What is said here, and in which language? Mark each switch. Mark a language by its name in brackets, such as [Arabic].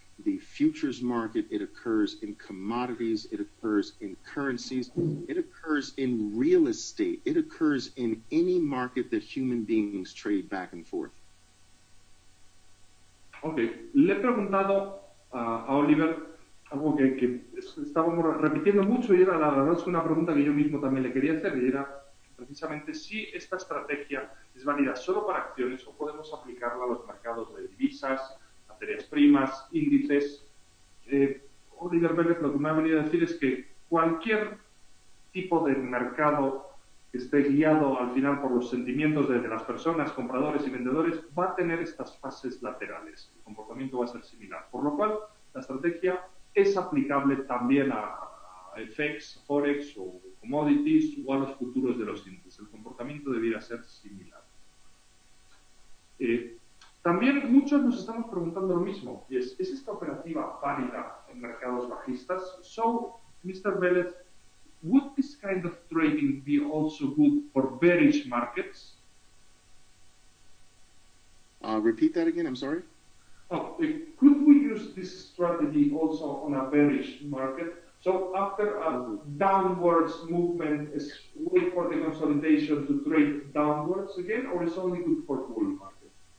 [English] the futures market, it occurs in commodities, it occurs in currencies, it occurs in real estate, it occurs in any market that human beings trade back and forth. [Spanish] Okay, le he preguntado a Oliver algo que estábamos repitiendo mucho y era la verdad es una pregunta que yo mismo también le quería hacer y era precisamente si esta estrategia es válida solo para acciones o podemos aplicarla a los mercados de divisas, materias primas, índices. Oliver Vélez lo que me ha venido a decir es que cualquier tipo de mercado que esté guiado al final por los sentimientos de las personas, compradores y vendedores, va a tener estas fases laterales. El comportamiento va a ser similar. Por lo cual, la estrategia es aplicable también a FX, Forex o commodities o a los futuros de los índices. El comportamiento debería ser similar. También muchos nos estamos preguntando lo mismo, y ¿es esta operativa válida en mercados bajistas? [English] So, Mr. Vélez, would this kind of trading be also good for bearish markets? Repeat that again, I'm sorry. Could we use this strategy also on a bearish market? So, after a downwards movement, is wait for the consolidation to trade downwards again, or is only good for bull markets?